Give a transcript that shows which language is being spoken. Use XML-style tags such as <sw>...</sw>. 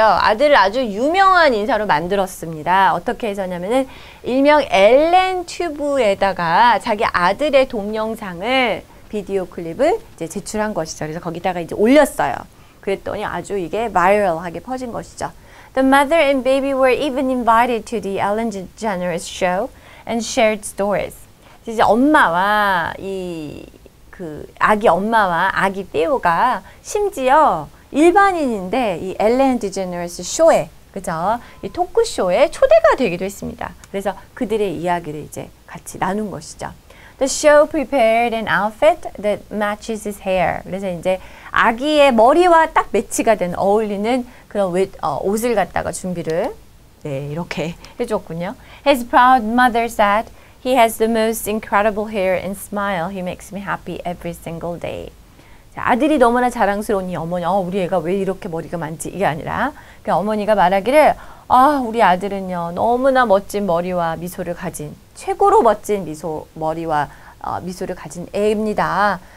<ko>아들을 아주 유명한 인사로 만들었습니다. 어떻게 해서냐면은 일명 엘렌 튜브에다가 자기 아들의 동영상을 비디오 클립을 이제 제출한 것이죠. 그래서 거기다가 이제 올렸어요. 그랬더니 아주 이게 바이럴하게 퍼진 것이죠.</ko> <en>The mother and baby were even invited to the Ellen DeGeneres show and shared stories.</en> <ko>이제 엄마와 이 그 아기 엄마와 아기 Theo가 심지어 일반인인데 이 엘렌 디제너레스 쇼에, 그죠? 이 토크쇼에 초대가 되기도 했습니다. 그래서 그들의 이야기를 이제 같이 나눈 것이죠.</ko> <en>The show prepared an outfit that matches his hair.</en> <ko>그래서 이제 아기의 머리와 딱 매치가 된 어울리는 그런 옷을 갖다가 준비를 네, 이렇게 해줬군요.</ko> <en>His proud mother said he has the most incredible hair and smile. He makes me happy every single day.</en> <ko>아들이 너무나 자랑스러운 이 어머니, 우리 애가 왜 이렇게 머리가 많지? 이게 아니라 그 어머니가 말하기를 우리 아들은요 너무나 멋진 머리와 미소를 가진 최고로 멋진 미소 머리와 미소를 가진 애입니다.</ko>